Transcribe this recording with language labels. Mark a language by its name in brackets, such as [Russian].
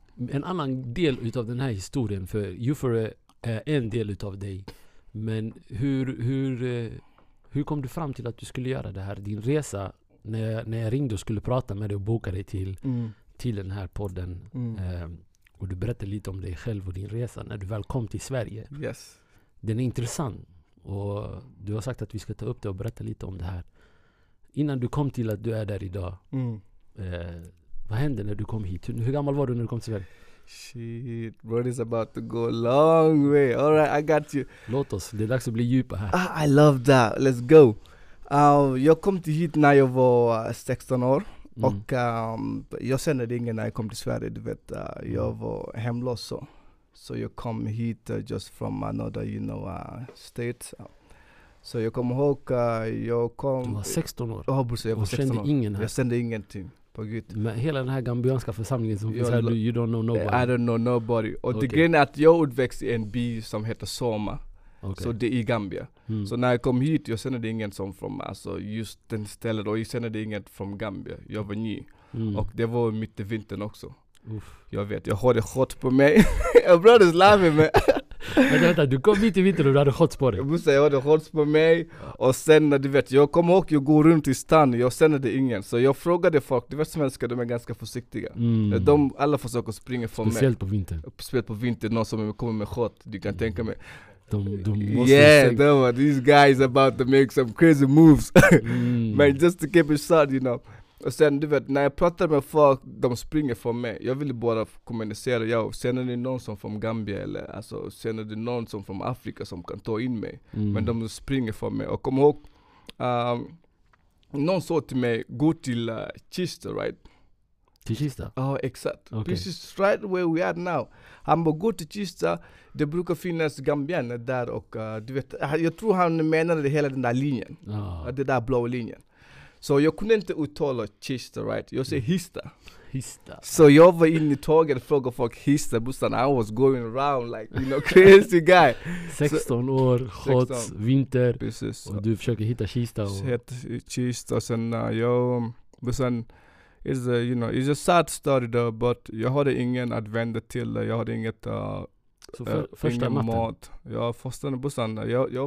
[Swedish] En annan del utav den här historien, för Jufure är en del utav dig, men hur kom du fram till att du skulle göra det här, din resa, när jag ringde och skulle prata med dig och boka dig till den här podden, och du berättade lite om dig själv och din resa när du väl kom till Sverige. [English] Yes. [Swedish] Den är intressant och du har sagt att vi ska ta upp det och berätta lite om det här. Innan du kom till att du är där idag, vad hände när du kom hit? Hur gammal var du när du kom till Sverige? [English] Shit, bro, it's about to go long way. All right, I got you. [Swedish] Låt oss, det är dags att bli djupa här. [English] I love that. Let's go. [Swedish] Jag kom till hit när jag var 16 år. Och jag kände ingen när jag kom till Sverige. Du vet, jag var hemlös. Så. [English] So you come hit just from another, you know, state. [Swedish] Så jag kom ihåg, jag kom... Du var 16 år. Ja, bror, jag var 16 kände år. Ingen här. Jag kände ingenting på Gud. Men hela den här gambianska församlingen som finns här, [English] you don't know nobody. I don't know nobody. [Swedish] Och okay. Det grejen är att jag utväxte i en by som heter Soma. Okay. Så det är i Gambia. Mm. Så när jag kom hit, jag kände ingen som från, alltså just den stället. Och jag kände ingen från Gambia. Jag var ny. Mm. Och det var mitt i vintern också. Uff. Jag vet, jag har det hot på mig. Jag började slava mig. Vänta, du kom hit i vintern och du hade hot på dig. Jag måste säga, jag hade hot på mig. Och sen, du vet, jag kom ihåg, jag går runt i stan. Jag kände ingen. Så jag frågade folk, du vet svenskar, de är ganska försiktiga. Mm. De alla försöker springa från mig. Speciellt på vintern. Speciellt på vintern, någon som kommer med hot. Du kan tänka mig. De måste [English] these guys about to make some crazy moves. Man, just to keep it short, you know. [Swedish] Och sen, du vet, när jag pratar med folk, de springer från mig. Jag ville bara kommunicera, ja, känner ni någon som från Gambia eller alltså, känner ni någon som från Afrika som kan ta in mig? Mm. Men de springer från mig. Och kom ihåg, någon sa till mig, gå till Kista, right? Till Kista? Ja, exakt. Okay. Precis, [English] right where we are now. [Swedish] Han bara, gå till Kista, det brukar finnas gambianer där. Och du vet, jag tror han menade hela den där linjen, den där blå linjen. Så jag kunde inte uttala Kista, right? Jag säger Hista. Hista. Så jag var in i tåget och frågade folk Hista. [English] Bussan, I was going around like, you know, crazy guy. [Swedish] 16 så, år, hot, 16. Vinter. Precis. Och du försöker hitta Kista. Kista. Och sen jag, bussan, [English] it's a, you know, it's a sad story though, but [Swedish] jag hade ingen att vända till. Jag hade inget, första ingen natten. Mat. Ja, första natten, bussan, jag var